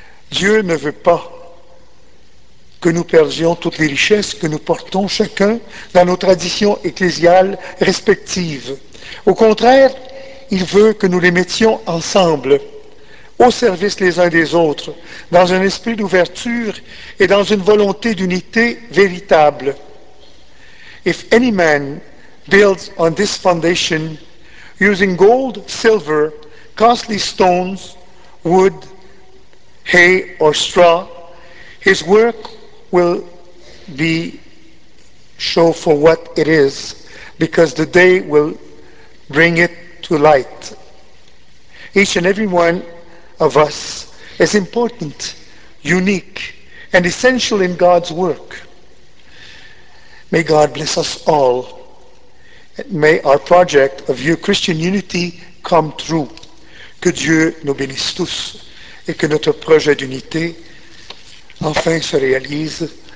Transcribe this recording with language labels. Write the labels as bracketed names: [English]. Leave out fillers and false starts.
[French] Dieu ne veut pas que nous perdions toutes les richesses que nous portons chacun dans nos traditions ecclésiales respectives. Au contraire, il veut que nous les mettions ensemble, au service les uns des autres, dans un esprit d'ouverture et dans une volonté d'unité véritable. [English] If any man builds on this foundation using gold, silver, costly stones, wood, hay or straw, his work will be show for what it is, because the day will bring it to light. Each and every one of us is important, unique, and essential in God's work. May God bless us all. May our project of your Christian unity come true. [French] Que Dieu nous bénisse tous. Et que notre projet d'unité enfin se réalise.